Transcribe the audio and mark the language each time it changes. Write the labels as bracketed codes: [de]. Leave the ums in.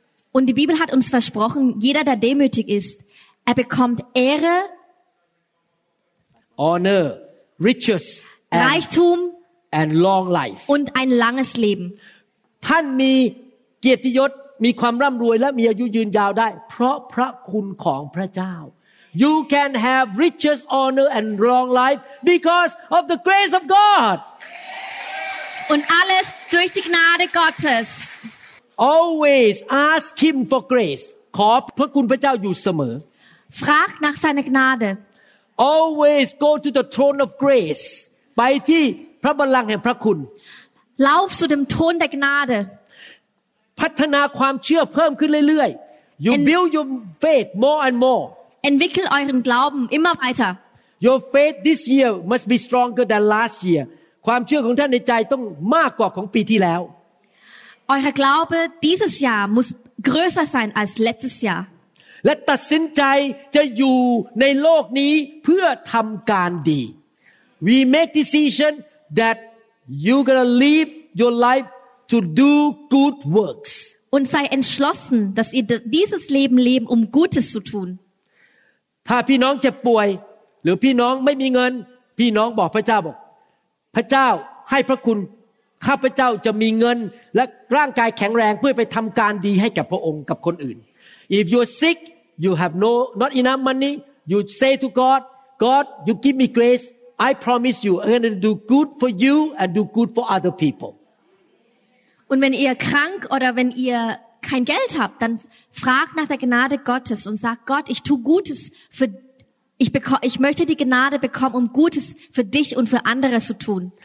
[de] Und die Bibel hat uns versprochen jeder der demütig ist er bekommt Ehre [en] honor, riches, and, [de] Reichtum and und ein langes Leben [th] ท่านมีเกียรติยศมีความร่ำรวยและมีอายุยืนยาวได้เพราะพระคุณของพระเจ้า [en] You can have riches, honor, and long life because of the grace of God. [de] Und alles durch die Gnade Gottes. [en] Always ask Him for grace. [th] ขอพระคุณพระเจ้าอยู่เสมอ [de] Frag nach seiner Gnade. [en] Always go to the throne of grace. [th] ไปที่พระบัลลังก์แห่งพระคุณ [de] Lauf zu dem Thron der Gnade. [th] พัฒนาความเชื่อเพิ่มขึ้นเรื่อยๆ [en] You build your faith more and more [de] Entwickel euren Glauben immer weiter [en] Your faith this year must be stronger than last year [th] ความเชื่อของท่านในใจต้องมากกว่าของปีที่แล้ว [de] Euer Glaube dieses Jahr muss größer sein als letztes Jahr [th] และตัดสินใจจะอยู่ในโลกนี้เพื่อทำการดี [en] We make decision that y o u gonna live your life to do good works. [de] Und sei entschlossen, dass ihr dieses Leben leben, um Gutes zu tun. [th] ถ้าพี่น้องเจ็บป่วย หรือพี่น้องไม่มีเงิน พี่น้องบอกพระเจ้าบอก พระเจ้าให้พระคุณข้าพระเจ้าจะมีเงินและร่างกายแข็งแรง เพื่อไปทำการดีให้กับพระองค์กับคนอื่น [en] If you're sick you have no not enough money you say to God God you give me grace I promise you I'm gonna do good for you and do good for other people [de] Und wenn ihr krank oder wenn ihr kein Geld habt, dann fragt nach der Gnade Gottes und sagt Gott, ich tue Gutes für ich, beke... ich möchte die Gnade bekommen, um Gutes für dich und für andere zu tun.